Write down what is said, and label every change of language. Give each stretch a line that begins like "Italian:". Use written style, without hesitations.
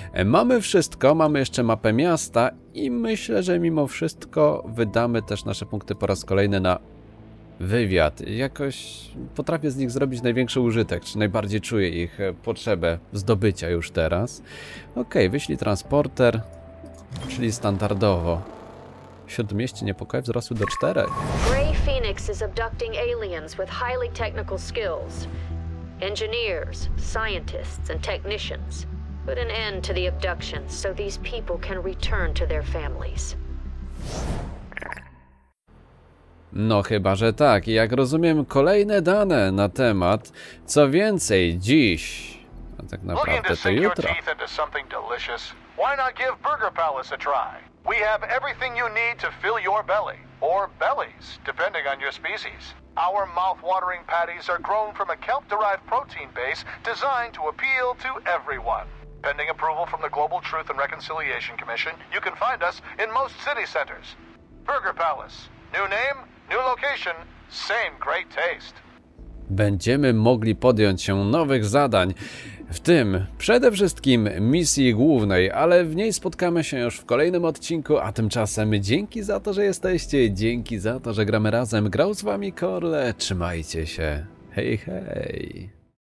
Polish: Mamy wszystko, mamy jeszcze mapę miasta i myślę, że mimo wszystko wydamy też nasze punkty po raz kolejny na wywiad. Jakoś potrafię z nich zrobić największy użytek, czy najbardziej czuję ich potrzebę zdobycia już teraz. Okej, wyślij transporter, czyli standardowo. Śródmieście niepokoje wzrosły do 4.
English: Gray Phoenix is abducting aliens with highly technical skills. Engineers, scientists and technicians. Put an end to the abduction so these people can return to their families.
Polish: No chyba, że tak. I jak rozumiem, kolejne dane na temat, co więcej, dziś, a tak naprawdę to jutro.
English: Looking to sink your teeth into something delicious? Why not give Burger Palace a try? We have everything you need to fill your belly, or bellies, depending on your species. Our mouth-watering patties are grown from a kelp-derived protein base designed to appeal to everyone. Pending approval from the Global Truth and Reconciliation Commission, you can find us in most city centers. Burger Palace. New name, new location, same great taste.
Polish: Będziemy mogli podjąć się nowych zadań, w tym przede wszystkim misji głównej, ale w niej spotkamy się już w kolejnym odcinku, a tymczasem dzięki za to, że jesteście, dzięki za to, że gramy razem. Grał z wami Korle, trzymajcie się, hej hej.